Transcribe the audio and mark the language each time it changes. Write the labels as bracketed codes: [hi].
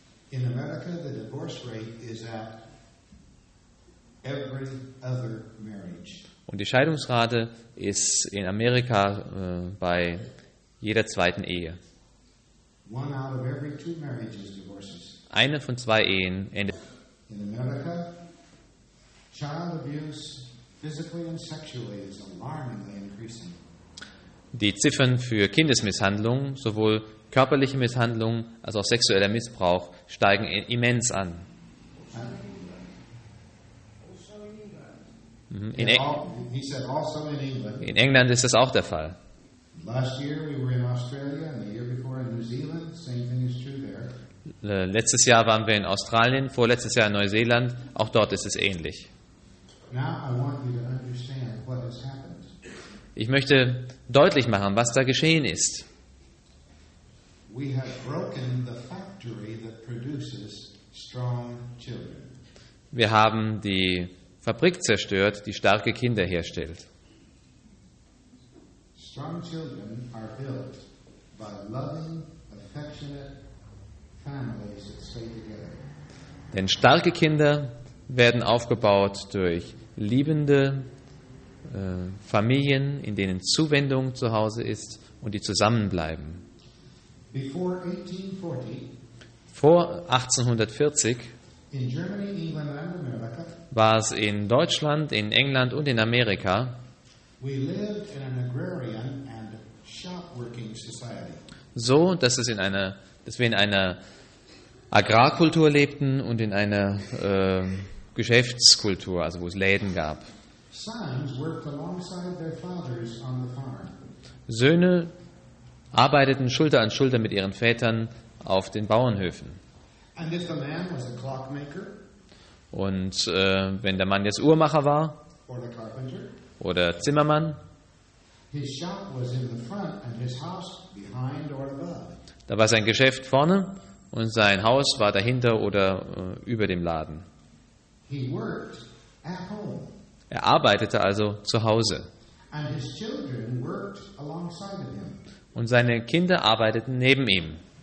[en] In America, the divorce rate is at every other marriage. [de] Und die Scheidungsrate ist in Amerika bei jeder zweiten Ehe. [en] One out of every two marriages divorces. [de] Eine von zwei Ehen endet. [en] In America, child abuse, physically and sexually, is alarmingly increasing. [de] Die Ziffern für Kindesmisshandlung, sowohl körperliche Misshandlung als auch sexueller Missbrauch, steigen immens an. In England ist das auch der Fall. [en] Last year we were in Australia and the year before in New Zealand, same thing is true there. [de] Letztes Jahr waren wir in Australien, vorletztes Jahr in Neuseeland. Auch dort ist es ähnlich. [en] Now I want you to understand what has happened. [de] Ich möchte deutlich machen, was da geschehen ist. [en] We have broken the factory that produces strong children. [de] Wir haben die Fabrik zerstört, die starke Kinder herstellt. [en] Strong children are built by loving, affectionate families that stay together. [de] Denn starke Kinder werden aufgebaut durch liebende Familien, in denen Zuwendung zu Hause ist und die zusammenbleiben. [en] Before 1840, [de] vor 1840 [en] in Germany, England, and America, [de] war es in Deutschland, in England und in Amerika, [en] we lived in an agrarian and shop-working society. [de] So, dass es dass wir in einer Agrarkultur lebten und in einer Geschäftskultur, also wo es Läden gab. [en] Sons worked alongside their fathers on the farm. [de] Söhne arbeiteten Schulter an Schulter mit ihren Vätern auf den Bauernhöfen. [en] And if the man was a clockmaker, [de] und wenn der Mann jetzt Uhrmacher war [en] or the carpenter, [de] oder Zimmermann, [en] his shop was in the front and his house behind or above. [de] Da war sein Geschäft vorne und sein Haus war dahinter oder über dem Laden. [en] He worked at home. [de] Er arbeitete also zu Hause. [en] And his children worked alongside of him. [de] Und seine Kinder arbeiteten neben ihm.